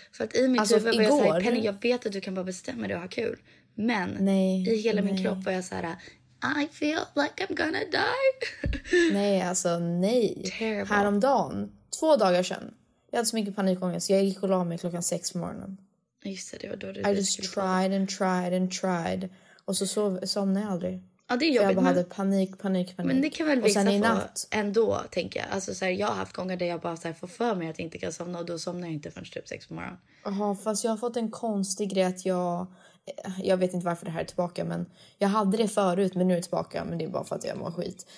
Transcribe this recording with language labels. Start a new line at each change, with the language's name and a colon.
Swedish: För att i mitt alltså, huvud var igår, jag såhär, Penny, jag vet att du kan bara bestämma dig och ha kul. Men nej, i hela nej. Min kropp var jag så här,
English: I feel like I'm gonna die.
Swedish: Nej, alltså nej.
English: Terrible.
Swedish: Häromdagen, 2 dagar sedan. Jag hade så mycket panikångest. Jag gick och la mig klockan 6 på morgonen. Just det, det var då det
English: I just tried and tried and tried.
Swedish: Och så somnade jag aldrig. Ja, det är jobbigt. För jag bara hade panik. Men det kan väl visa på natt ändå, tänker jag. Alltså så här, jag har haft gånger där jag bara så här, får för mig att jag inte kan somna. Och då somnar jag inte förrän typ 6 på morgonen. Jaha, fast jag har fått en konstig grej att jag vet inte varför det här är tillbaka. Men jag hade det förut, men nu är det tillbaka. Men det är bara för att jag mår skit.